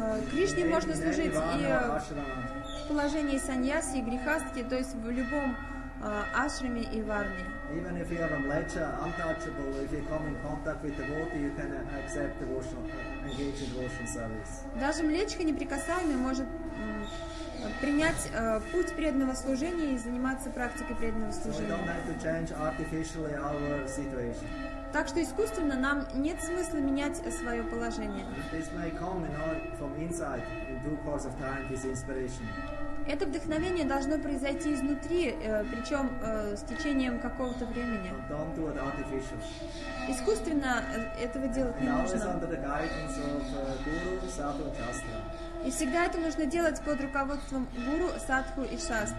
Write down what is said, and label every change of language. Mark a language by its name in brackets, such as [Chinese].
[Russian] Кришне можно служить и в положении саньяси, грихастки, то есть в любом ашраме и варне. [English] Even if you are a mlecha, untouchable, if you come in contact with devotee, you can accept devotional, engage in devotional service. [Russian] Даже млечка неприкасаемый может принять путь преданного служения и заниматься практикой преданного служения. [English] So we don't have to change artificially our situation. [Russian] Так что искусственно нам нет смысла менять свое положение. [English] This may come, you know, from inside in due course of time, this inspiration. [Russian] Это вдохновение должно произойти изнутри, причем с течением какого-то времени. [English] Don't do it artificial. [Russian] Искусственно этого делать не нужно. [English] And always under the guidance of Guru, Sadhu, Shastra. [Russian] И всегда это нужно делать под руководством Гуру, Садху и Шастры.